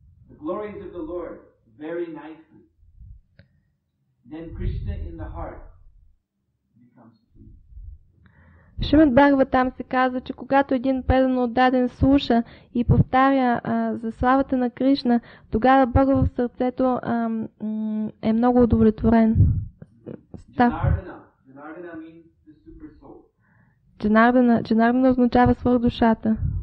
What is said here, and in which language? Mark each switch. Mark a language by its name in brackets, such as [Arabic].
[English] the glories of the Lord very nicely, then Krishna in the heart becomes pleased. [Bulgarian] Шримад Бхагаватам се казва, че когато един предан отдаден слуша и повтаря за славата на Кришна, тогава Бога в сърцето е много удовлетворен. [English] Джанардана means the super soul. [Bulgarian] Джанардана означава свърх душата.